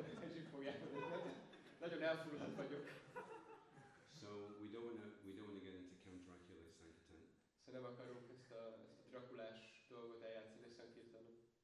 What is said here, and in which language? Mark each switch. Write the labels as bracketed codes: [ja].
[hu] És így fogják, nagyon elfoglalt vagyok. [en] So we don't want to get into Count Dracula Sankirtan. [hu] So nem akarunk ezt a drakulás dolgot eljátszani Sankirtanon.